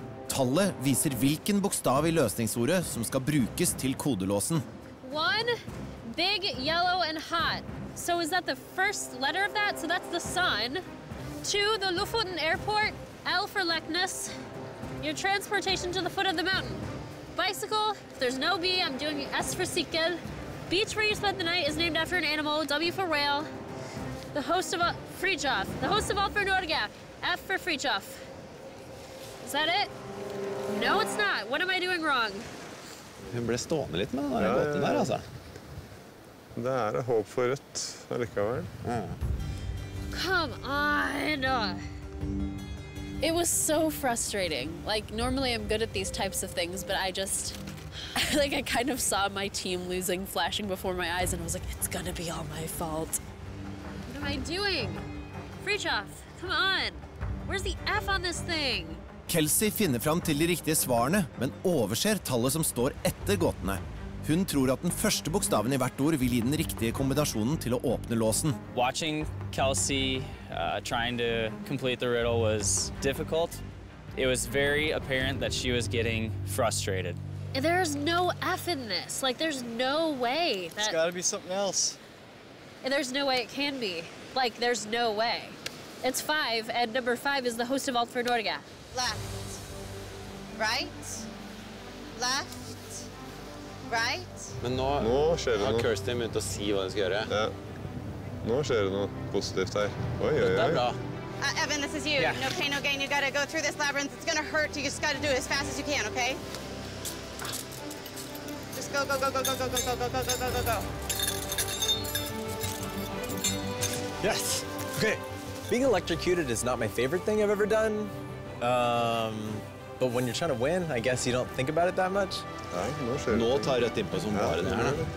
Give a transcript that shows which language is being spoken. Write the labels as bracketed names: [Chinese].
[Norwegian] Tallet viser hvilken bokstav I løsningsordet som skal brukes til kodelåsen. [English] One, big, yellow, and hot. So is that the first letter of that? So that's the sun. Two, the Lofoten Airport, L for Leknes. Your transportation to the foot of the mountain. Bicycle, if there's no B, I'm doing S for sykkel. Beach where you spent the night is named after an animal, W for whale. The host of all, Fridtjof, the host of all for Norge, F for Fridtjof. Is that it? No, it's not. What am I doing wrong? [Norwegian] Hun ble stående litt med den der båten der, altså. Det et håp for rødt, allikevel. Ja. [English] Come on! It was so frustrating. Like, normally I'm good at these types of things, but I just... Like, I kind of saw my team losing, flashing before my eyes, and I was like, it's gonna be all my fault. What am I doing? Fridtjof, come on! Where's the F on this thing? [Norwegian] Kelsey finner fram til de riktige svarene, men overser tallet som står etter gåtene. Hun tror at den første bokstaven I hvert ord vil gi den riktige kombinasjonen til å åpne låsen. [English] Watching Kelsey trying to complete the riddle was difficult. It was very apparent that she was getting frustrated. There's no F in this. Like, there's no way that... It's gotta be something else. And there's no way it can be. Like, there's no way. It's 5, and number 5 is the host of Alt for Norge. Left. Right. Left. Right? [Norwegian] Men nå skjer det noe. Nå har Kirsten begynt å si hva hun skal gjøre. Ja. Nå skjer det noe positivt her. Oi, oi, oi. Dette bra. [English] Evan, this is you. Yeah. No pain, no gain. You gotta go through this labyrinth. It's gonna hurt. You just gotta do it as fast as you can, okay? Just go, go, go, go, go, go, go, go, go, go, go, go, go, go. Yes! Okay. Being electrocuted is not my favorite thing I've ever done. But when you're trying to win, I guess you don't think about it that much. [Norwegian] Nå tar rett innpå som bare det her.